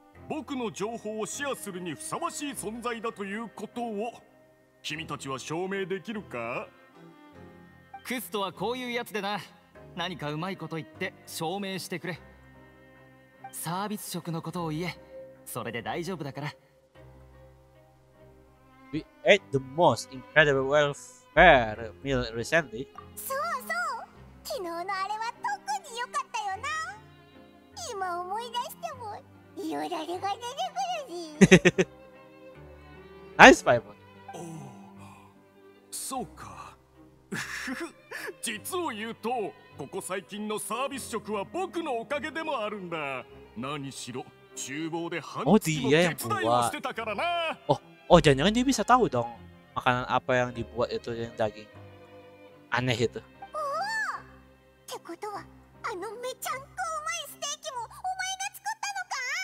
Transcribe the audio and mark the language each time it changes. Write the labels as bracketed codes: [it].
[ja] 僕の情報をシェアするにふさわしい存在だということを君たちは証明できるか。クストはこういうやつでな、何かうまいこと言って証明してくれ。サービス職のことを言え、それで大丈夫だから。 [en] We ate the most incredible welfare meal recently。 [ja] そうそう、昨日のあれは特に良かったよな。今思い出してもよだれが出てくるぜ。ナイスファイボン。そうか。実を言うと、ここ最近のサービス職は僕のおかげでもあるんだ。何しろ厨房で半日も手伝いをしてたからな。 [id] Oh, jangan-jangan dia bisa tahu dong makanan apa yang dibuat itu yang daging aneh itu. [ja] Oh, ってことはあのめちゃんこうまいステーキもお前が作ったのか？